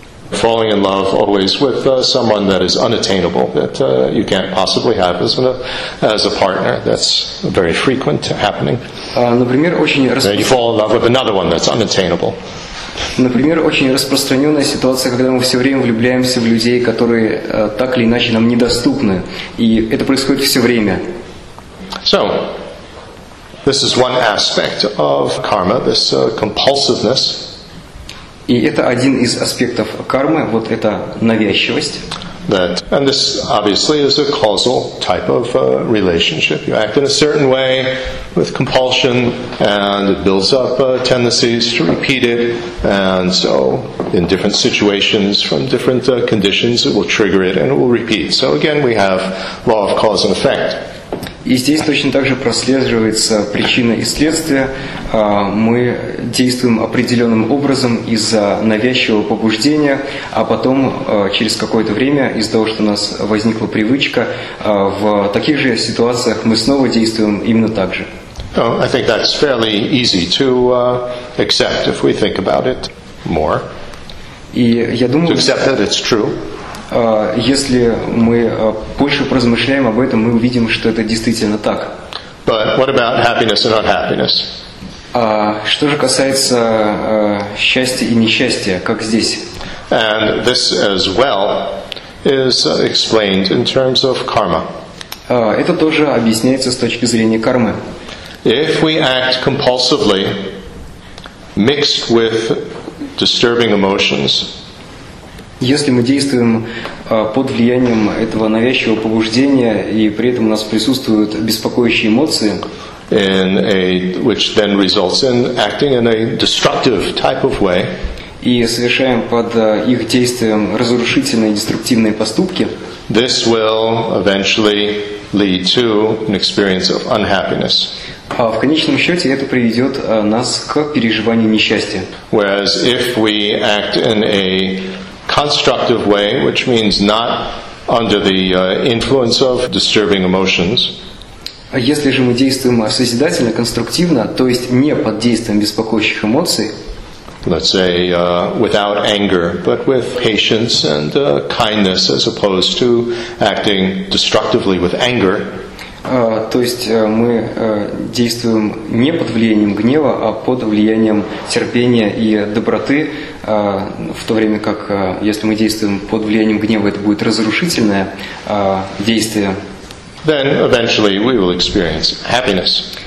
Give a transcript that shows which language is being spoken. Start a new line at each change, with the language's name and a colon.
English: Falling in love always with someone that is unattainable, that you can't possibly have as a partner. That's very frequent happening.
Russian: Например, очень распространено.
English: You fall in love with another one that's unattainable.
Russian: Например, очень распространенная ситуация, когда мы все время влюбляемся в людей, которые так или иначе нам недоступны. И это происходит все время.
English: So, this is one aspect of karma, this compulsiveness.
Russian: И это один из аспектов кармы, вот эта навязчивость.
English: That, and this obviously is a causal type of relationship. You act in a certain way with compulsion, and it builds up tendencies to repeat it. And so, in different situations, from different conditions, it will trigger it, and it will repeat. So again, we have law of cause and effect.
Russian: И здесь точно так же прослеживается причина и следствие. Мы действуем определенным образом из-за навязчивого побуждения, а потом через какое-то время, из-за того, что у нас возникла привычка, в таких же ситуациях мы снова действуем именно так же.
English: I think that's fairly easy to accept if we think about it more.
Russian: И я думаю,
English: to accept that it's true.
Russian: Если мы больше поразмышляем об этом, мы увидим, что это действительно так.
English: But what about happiness and unhappiness?
Russian: Что же касается счастья и несчастья, как здесь?
English: And this as well is explained in terms of karma.
Russian: Это тоже объясняется с точки зрения кармы.
English: If we act compulsively, mixed with disturbing emotions,
Russian: если мы действуем под влиянием этого навязчивого побуждения, и при этом у нас присутствуют беспокоящие эмоции,
English: which then results in acting in a destructive type of way,
Russian: и совершаем под их действием разрушительные, деструктивные поступки,
English: this will eventually lead to an experience of unhappiness.
Russian: В конечном счете это приведет нас к переживанию несчастья.
English: Whereas if we act in a constructive way, which means not under the influence of disturbing emotions.
Russian: Если же мы действуем созидательно, конструктивно, то есть не под действием беспокоящих эмоций.
English: Let's say without anger, but with patience and kindness, as opposed to acting destructively with anger.
Russian: То есть мы действуем не под влиянием гнева, а под влиянием терпения и доброты, в то время как, если мы действуем под влиянием гнева, это будет разрушительное действие.
English: Then eventually we will experience happiness.